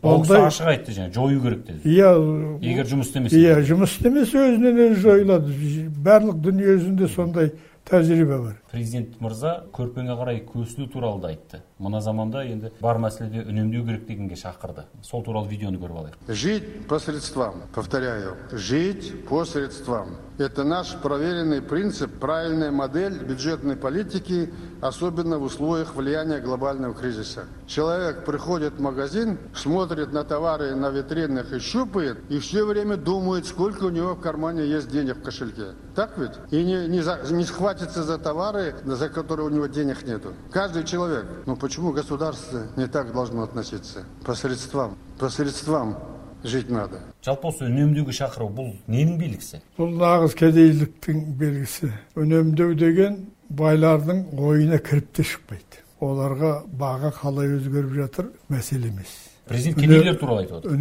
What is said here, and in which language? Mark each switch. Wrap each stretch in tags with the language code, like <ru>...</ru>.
<kk>Оңдай ашық айтты және жою керек деді. Егер жұмыс істемесе. Жұмыс істемесе өзінен өзі жойылады. Барлық дүние жүзінде сондай тәжірибе бар. Президент Мырза көрпеңе қарай көсілу туралы да айтты. Мына заманда енді бар мәселеде үнемдеу керек дегенге шақырды. Сол туралы видеоны көріп алайық.</kk> <ru>Жить по средствам, повторяю. Жить по средствам. Это наш проверенный принцип, правильная модель бюджетной политики, особенно в условиях влияния глобального кризиса. Человек приходит в магазин, смотрит на товары на витринах и щупает, и все время думает, сколько у него в кармане есть денег в кошельке. Так ведь? И не схватится за товары, за которые у него денег нету. Каждый человек. Но почему государство не так должно относиться? По средствам. Жить надо.</ru> <kk>Жалпы осы үнемдеуге шақыру бұл ненің белгісі? Бұл нағыз кедейліктің белгісі. Үнемдеу деген байлардың ойына кіріп те шықпайды. Оларға баға қалай өзгеріп жатыр мәселе емес. Президент кедейлер туралы айтып отыр.</kk>